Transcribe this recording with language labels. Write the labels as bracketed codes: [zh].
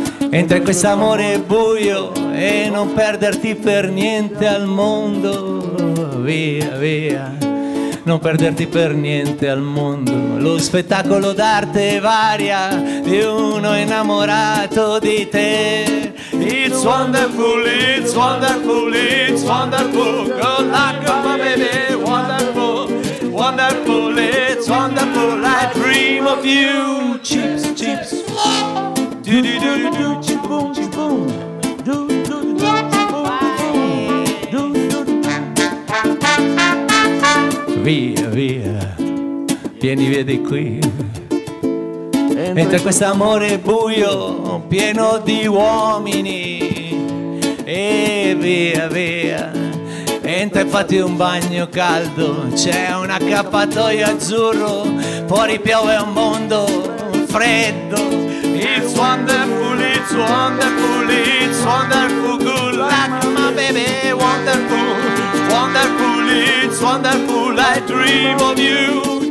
[it] Entra in quest'amore buio e non perderti per niente al mondo. Via, via, non perderti per niente al mondo. Lo spettacolo d'arte varia di uno innamorato di te. [en] It's wonderful, it's wonderful, it's wonderful. Good luck, my baby, wonderful. Wonderful, it's wonderful, I dream of you. Chips, chips. Do do do do do, chip-boom, chip-boom. Do do do do, chip-boom, do do do do. [it] Via, via, vieni via di qui. Mentre questo amore buio, pieno di uomini. E via, via, entra e fatti un bagno caldo, c'è un accappatoio azzurro, fuori piove un mondo freddo. [en] It's wonderful, it's wonderful, it's wonderful, good luck, my baby, wonderful. Wonderful, it's wonderful, I dream of you.